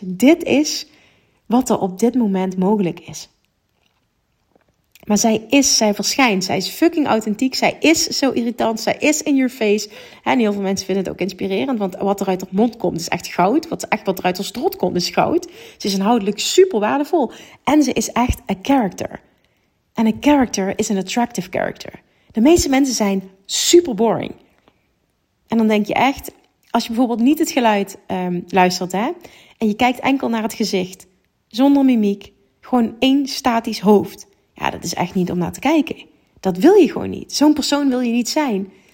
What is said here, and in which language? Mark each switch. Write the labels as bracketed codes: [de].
[nl] Dit is wat er op dit moment mogelijk is. Maar zij verschijnt. Zij is fucking authentiek. Zij is zo irritant. Zij is [en] in your face. [nl] En heel veel mensen vinden het ook inspirerend. Want wat er uit haar mond komt is echt goud. Wat er uit haar strot komt is goud. Ze is inhoudelijk super waardevol. En ze is echt [en] a character. En a character is an attractive character. [nl] De meeste mensen zijn super boring. En dan denk je echt, als je bijvoorbeeld niet het geluid luistert, hè, en je kijkt enkel naar het gezicht, zonder mimiek, gewoon één statisch hoofd. Ja, dat is echt niet om naar te kijken. Dat wil je gewoon niet. Zo'n persoon wil je niet zijn.